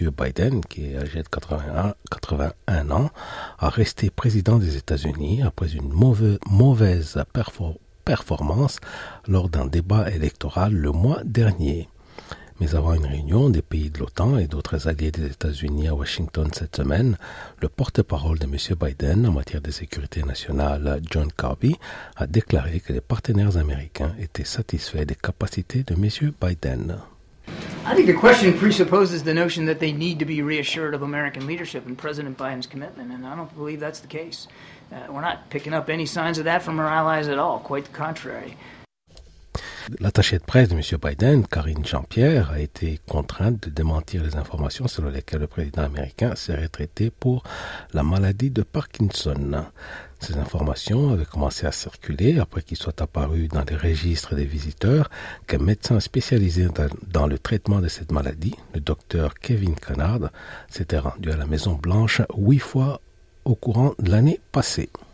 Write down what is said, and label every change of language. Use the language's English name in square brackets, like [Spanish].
[French] Biden, qui est âgé de 81 ans, à rester président des États-Unis après une mauvaise performance lors d'un débat électoral le mois dernier. Mais avant une réunion des pays de l'OTAN et d'autres alliés des États-Unis à Washington cette semaine, le porte-parole de M. Biden en matière de sécurité nationale, John Kirby, a déclaré que les partenaires américains étaient satisfaits des capacités de M. Biden. [English] I think the question presupposes the notion that they need to be reassured of American leadership and President Biden's commitment, and I don't believe that's the case. We're not picking up any signs of that from our allies at all, quite the contrary. [French] L'attaché de presse de M. Biden, Karine Jean-Pierre, a été contrainte de démentir les informations selon lesquelles le président américain serait traité pour la maladie de Parkinson. Ces informations avaient commencé à circuler après qu'il soit apparu dans les registres des visiteurs qu'un médecin spécialisé dans le traitement de cette maladie, le docteur Kevin Canard, s'était rendu à la Maison-Blanche 8 fois au courant de l'année passée.